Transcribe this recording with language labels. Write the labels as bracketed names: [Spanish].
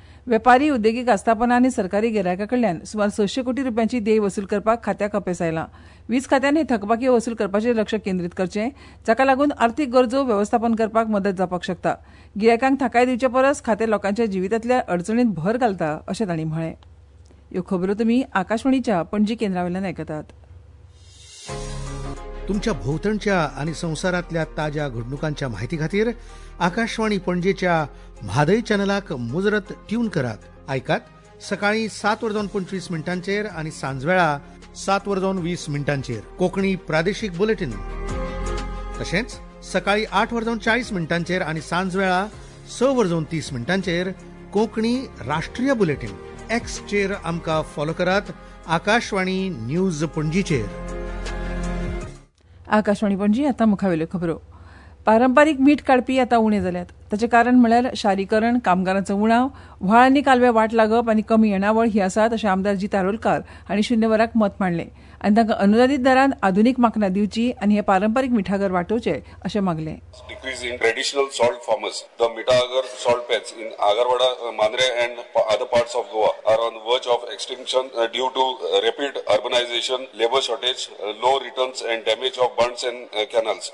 [Goan Konkani] वेपारी उद्देगीक आस्थापना आनी सरकारी गिरायका कडल्यान सुमार 600 कोटी रुपयांची देय वसूल करपाक खात्याक अपेस आयलां. वीज खात्यान हे थकबाकी वसूल करपाचेर लक्ष केंद्रीत करचें जाका लागून आर्थिक गरजो वेवस्थापन करपाक मदत जावपाक शकता. गिरायकांक थाकाय दिवचे परस खातें लोकांच्या जिवितांतल्या अडचणींत भर घालता अशें तांणी म्हळें. ह्यो खबरो तुम्ही आकाशवाणीच्या पणजी केंद्रावेल्यान ऐकतात. तुमच्या भोवतणच्या आणि संसारातल्या ताज्या घडणुकांच्या माहिती खातीर आकाशवाणी पणजीच्या म्हादय चॅनलाक मुजरत ट्यून करात. ऐकात सकाळी 7:25 आणि सांजवेळा 7:20 कोकणी प्रादेशिक बुलेटिन, तसेच सकाळी 8:40 आणि सांजवेळा 6:30 कोकणी राष्ट्रीय बुलेटिन. एक्स चेर आमकां फॉलो करात आकाशवाणी न्यूज पणजीचेर. आकाशवाणी पणजी आता मुखावेल्यो खबरो. पारंपारीक मीठ काडपी आता उणे जाल्यात. ताचे कारण म्हळ्यार शारीकरण, कामगारांचो उणाव, व्हाळ आनी कालवे वाट लागप आनी कमी येणावळ ही आसात अशें आमदार जी तारोलकार हांणी शुन्य वराक मत मांडले आनी तांकां अनुदानीत दरांत आधुनीक मांकणां दिवची आनी हे पारंपारीक मिठागर वाटोवचे अशें मागले. [English] Traditional salt farmers the मिठागर salt patch in Agarwada Mandrem and other parts of Goa are on verge of extinction due to rapid urbanisation, labour shortage, low returns and damage of bunds and canals.